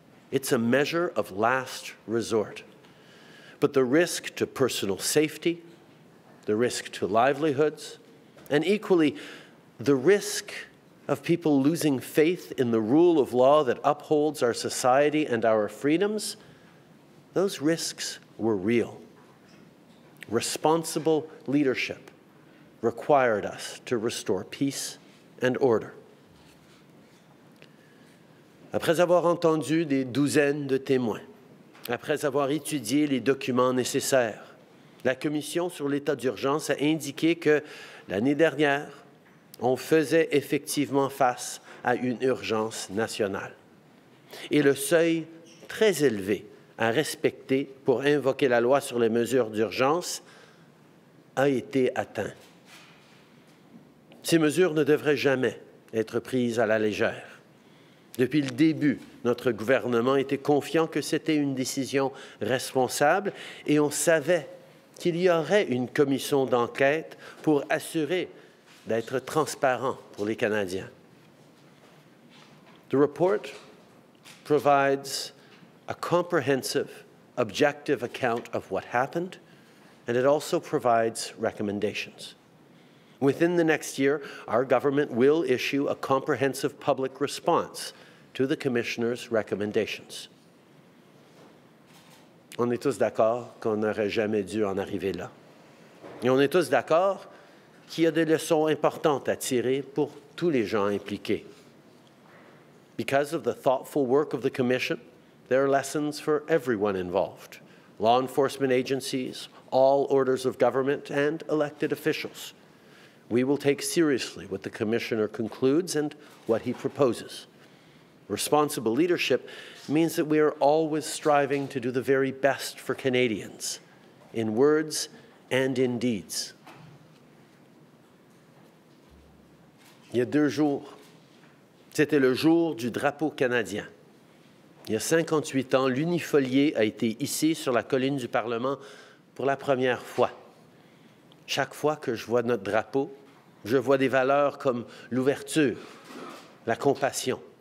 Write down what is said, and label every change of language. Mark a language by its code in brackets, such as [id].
[en] It's a measure of last resort. But the risk to personal safety, the risk to livelihoods, and equally, the risk of people losing faith in the rule of law that upholds our society and our freedoms, those risks were real. Responsible leadership required us to restore peace and order. [fr] Après avoir entendu des douzaines de témoins, après avoir étudié les documents nécessaires, la Commission sur l'état d'urgence a indiqué que l'année dernière, on faisait effectivement face à une urgence nationale. Et le seuil très élevé à respecter pour invoquer la loi sur les mesures d'urgence a été atteint. Ces mesures ne devraient jamais être prises à la légère. Depuis le début, notre gouvernement était confiant que c'était une décision responsable et on savait qu'il y aurait une commission d'enquête pour assurer d'être transparent pour les Canadiens. [en] The report provides a comprehensive, objective account of what happened, and it also provides recommendations. Within the next year, our government will issue a comprehensive public response to the Commissioner's recommendations. [fr] On est tous d'accord qu'on n'aurait jamais dû en arriver là. Et on est tous d'accord qu'il y a des leçons importantes à tirer pour tous les gens impliqués. [en] Because of the thoughtful work of the Commission, there are lessons for everyone involved, law enforcement agencies, all orders of government, and elected officials. We will take seriously what the Commissioner concludes and what he proposes. Responsible leadership means that we are always striving to do the very best for Canadians, in words and in deeds. [fr] Il y a deux jours, c'était le jour du drapeau canadien. Il y a 58 ans, l'unifolié a été hissé sur la colline du Parlement pour la première fois. Chaque fois que je vois notre drapeau, je vois des valeurs comme l'ouverture, la compassion.